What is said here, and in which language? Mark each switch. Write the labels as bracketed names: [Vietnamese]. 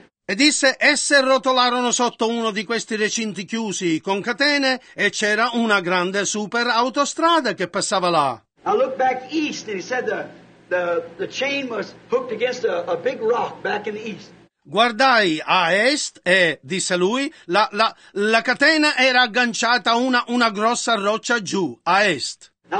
[Italian] E disse, esse rotolarono sotto uno di questi recinti chiusi con catene e c'era una grande super autostrada che passava là. [English] I looked back east and he said the chain was hooked against a big rock back in the east. [Italian] Guardai a est e, disse lui, la catena era agganciata a una grossa roccia giù, a est.